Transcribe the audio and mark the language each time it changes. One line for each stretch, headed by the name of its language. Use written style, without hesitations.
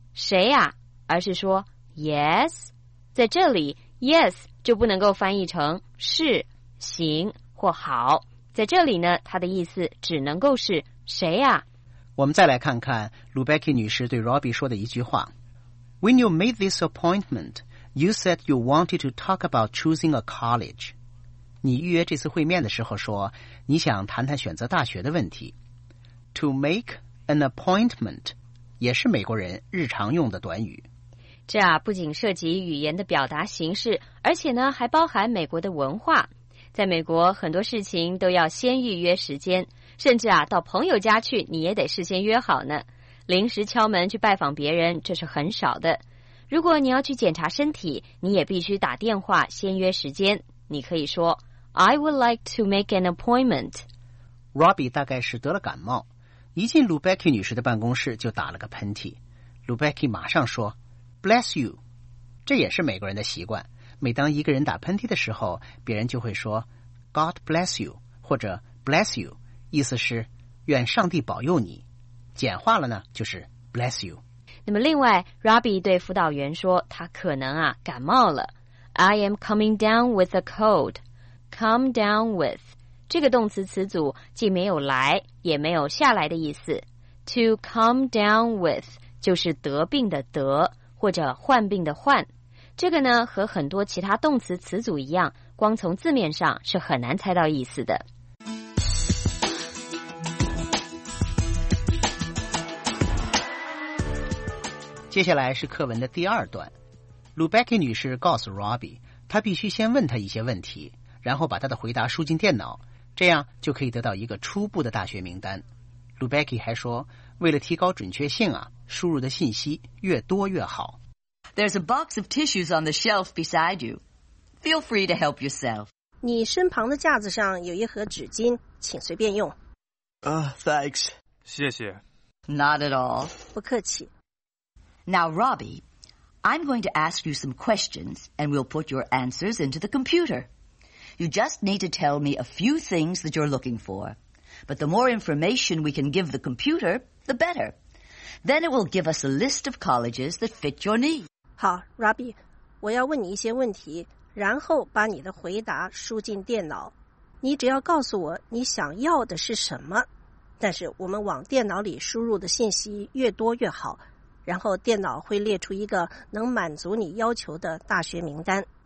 Chinese: 谁呀、啊、而是说 Yes? 在这里 Yes 就不能够翻译成是、行或好，在这里呢，她的意思只能够是谁呀、啊。我们再来看看 Lubecki 女士对 Robbie 说的一句话。
English: When you made this appointment, you said you wanted to talk about choosing a college.
Chinese: 你预约这次会面的时候说，你想谈谈选择大学的问题。 To make an appointment 也是美国人日常用的短语。这啊，不仅涉及语言的表达形式，而且呢，还包含美国的文化。在美国，很多事情都要先预约时间。甚至啊，到朋友家去你也得事先约好呢，临时敲门去拜访别人这是很少的。如果你要去检查身体，你也必须打电话先约时间。
English: 你可以说 I would like to make an appointment.
Chinese: Robbie 大概是得了感冒，一进 Lubecki 女士的办公室就打了个喷嚏。 Lubecki 马上说 Bless you. 这也是美国人的习惯，每当一个人打喷嚏的时候，别人就会说 God bless you 或者 Bless you，意思是愿上帝保佑你，简化了呢就是 bless you。那么另外 Robbie 对辅导员说他可能啊感冒了。 I am coming down with a cold. Come down with 这个动词词组既没有来也没有下来的意思， To come down with 就是得病的得或者患病的患。这个呢和很多其他动词词组一样，光从字面上是很难猜到意思的。接下来是课文的第二段， Lubecki 女士告诉 Robbie 她必须先问她一些问题，然后把她的回答输进电脑，这样就可以得到一个初步的大学名单。 Lubecki 还说，为了提高准确性啊，输入的信息越多越好。
English: There's a box of tissues on the shelf beside you. Feel free to help yourself.
Chinese: 你身旁的架子上有一盒纸巾，请随便用。
English: Thanks.
Chinese: 谢谢。
English: Not at all.
Chinese: 不客气。
English: Now, Robbie, I'm going to ask you some questions, and we'll put your answers into the computer. You just need to tell me a few things that you're looking for. But the more information we can give the computer, the better. Then it will give us a list of colleges that fit your need.
Chinese: 好 ,Robbie, 我要问你一些问题然后把你的回答输进电脑。你只要告诉我你想要的是什么。但是我们往电脑里输入的信息越多越好然后电脑会列出一个能满足你要求的大学名单。